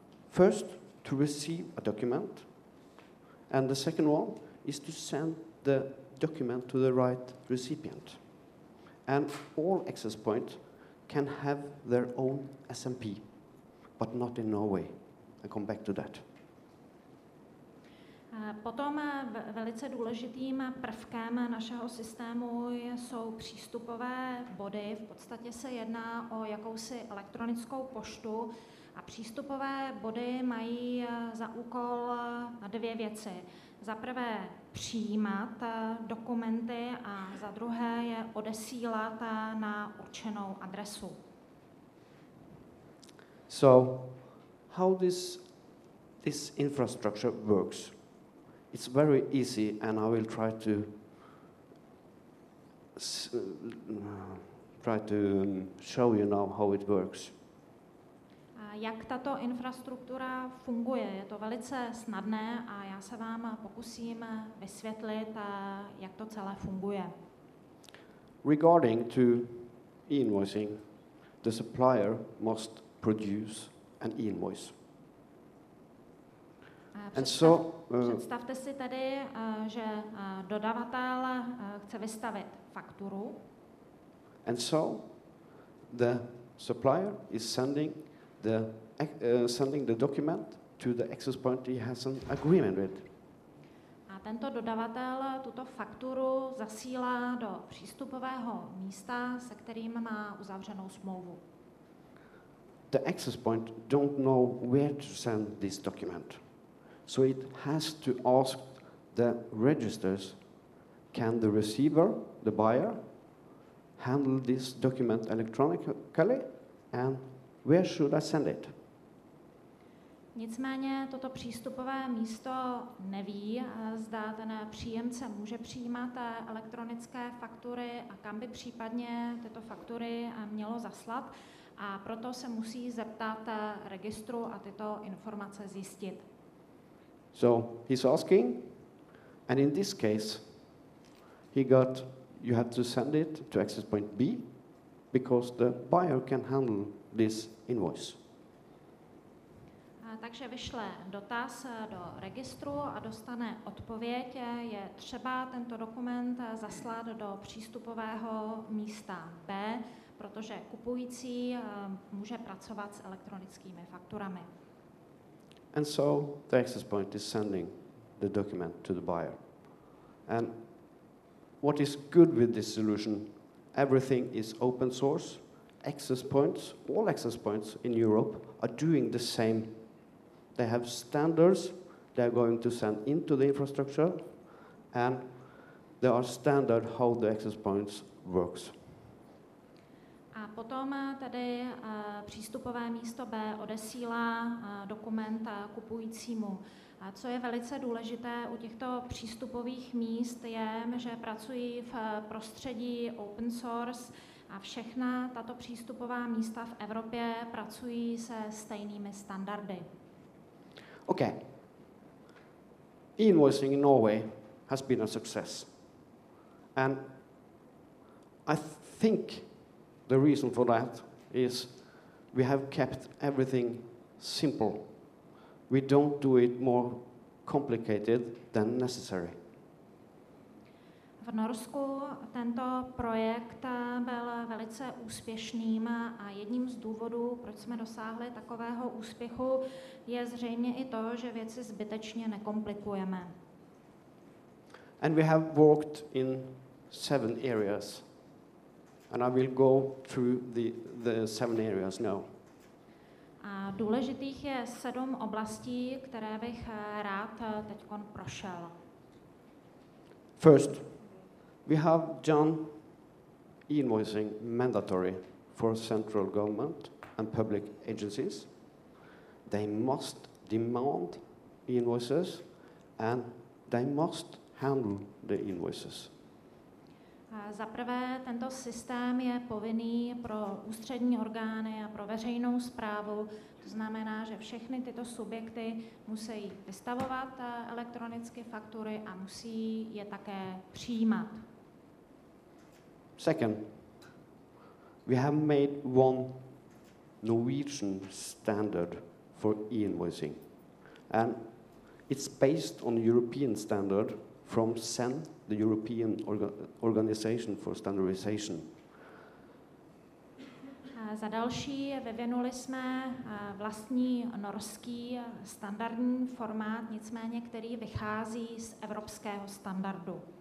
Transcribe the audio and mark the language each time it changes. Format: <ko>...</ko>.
<en>First, to receive a document, and the second one is to send the document to the right recipient. And all access points can have their own SMP, but not in Norway. I come back to that.</en> <cs>Potom velice důležitým prvkem našeho systému jsou přístupové body. V podstatě se jedná o jakousi elektronickou poštu a přístupové body mají za úkol dvě věci. Za prvé přijímat dokumenty a za druhé je odesílat na určenou adresu.</cs> <en>So, how this infrastructure works? It's very easy, and I will try to show you now how it works.</en> <cs>Jak tato infrastruktura funguje? Je to velice snadné a já se vám pokusím vysvětlit, jak to celé funguje.</cs> <en>Regarding to invoicing, the supplier must produce an invoice.</en> <cs>Představte si tedy, že dodavatel chce vystavit fakturu.</cs> <en>And so the supplier is sending the document to the access point he has an agreement with.</en> <cs>A tento dodavatel tuto fakturu zasílá do přístupového místa, se kterým má uzavřenou smlouvu.</cs> <en>The access point don't know where to send this document. So it has to ask the registers, can the receiver, the buyer, handle this document electronically, and where should I send it?</en> <cs>Nicméně toto přístupové místo neví, zda ten příjemce může přijímat elektronické faktury a kam by případně tyto faktury mělo zaslat, a proto se musí zeptat registru a tyto informace zjistit.</cs> <en>So he's asking, and in this case, he got, you have to send it to access point B, because the buyer can handle this invoice.</en> <cs>Takže vyšle dotaz do registru a dostane odpověď, je třeba tento dokument zaslat do přístupového místa B, protože kupující může pracovat s elektronickými fakturami.</cs> <en>And so the access point is sending the document to the buyer. And what is good with this solution? Everything is open source. Access points, all access points in Europe are doing the same. They have standards they are going to send into the infrastructure, and there are standard how the access points works.</en> <cs>A potom tedy přístupové místo B odesílá dokument kupujícímu. A co je velice důležité u těchto přístupových míst je, že pracují v prostředí open source a všechna tato přístupová místa v Evropě pracují se stejnými standardy.</cs> <en>Okay. E-invoicing in Norway has been a success. And I think the reason for that is we have kept everything simple. We don't do it more complicated than necessary.</en> <cs>V Norsku tento projekt byl velice úspěšným a jedním z důvodů, proč jsme dosáhli takového úspěchu, je zřejmě i to, že věci zbytečně nekomplikujeme.</cs> <en>And we have worked in 7 areas. And I will go through the 7 areas now.</en> <cs>A důležitých je 7 oblastí, které bych rád teďkon prošel.</cs> <en>First, we have done e-invoicing mandatory for central government and public agencies. They must demand invoices and they must handle the invoices.</en> <cs>Za prvé, tento systém je povinný pro ústřední orgány a pro veřejnou správu. To znamená, že všechny tyto subjekty musí vystavovat elektronicky faktury a musí je také přijímat.</cs> <en>Second, we have made one Norwegian standard for e-invoicing. And it's based on European standard from CEN, the European Organization for Standardization.</en> <cs>Za další vyvinuli jsme vlastní norský standardní formát, nicméně který vychází z evropského standardu.</cs>